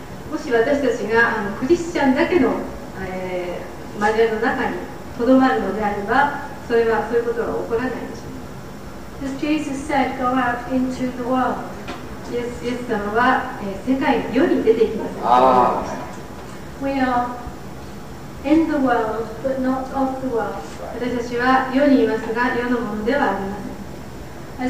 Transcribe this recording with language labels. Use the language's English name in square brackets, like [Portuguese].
[Japanese] もし私たちがクリスチャンだけの交わりの中にとどまるのであれば、それはそういうことは起こらないでしょう。 [English] As Jesus said, go out into the world. [Japanese] イエス様は世界世に出ていきます。 [English] We are in the world, but not of the world. [Japanese] 私たちは世にいますが、世のものではありません。